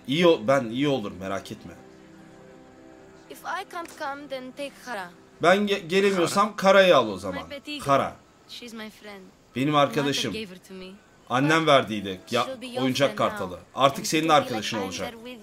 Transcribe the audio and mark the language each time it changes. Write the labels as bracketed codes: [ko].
[tr] İyi, ben iyi olurum, merak etme. [en] If I can't come, then take Kara. [tr] Ben gelemiyorsam Kara'yı al o zaman. Kara. [en] She's my friend. [tr] Benim arkadaşım. Annem verdiydi ya, oyuncak kartalı. Artık senin arkadaşın olacak.